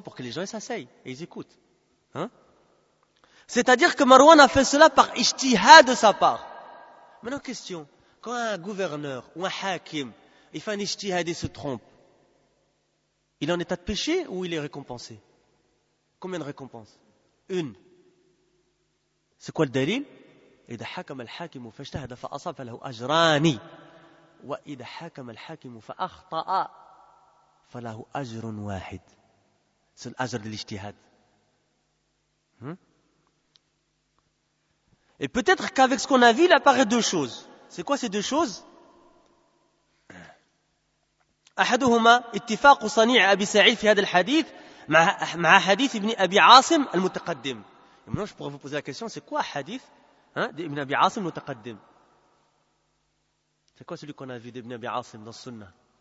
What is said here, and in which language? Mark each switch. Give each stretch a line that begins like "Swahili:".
French: Pour que les gens s'asseyent et ils écoutent. C'est-à-dire que Marwan a fait cela par ijtihad de sa part. Maintenant, question. Quand un gouverneur ou un hakim, il fait un ijtihad et se trompe, il est en état de péché ou il est récompensé ? Combien de récompenses ? Une. C'est quoi le dalil ?
Arabic: إذا حكم الحاكم فاجتهد فأصاب له أجران وإذا حكم الحاكم فأخطأ فله أجر واحد.
French: C'est l'ajr de l'ijtihad. Et peut-être qu'avec ce qu'on a vu, il apparaît deux choses. C'est quoi ces deux choses ?
Arabic: أحدهما اتفاق صنيع أبي سعيد في هذا الحديث مع حديث ابن أبي عاصم المتقدم.
French: Maintenant, je pourrais vous poser la question, c'est quoi hadith d'Ibn Abi Asim Mutaqaddim? C'est quoi celui qu'on a vu d'Ibn Abi Asim dans le Sunnah?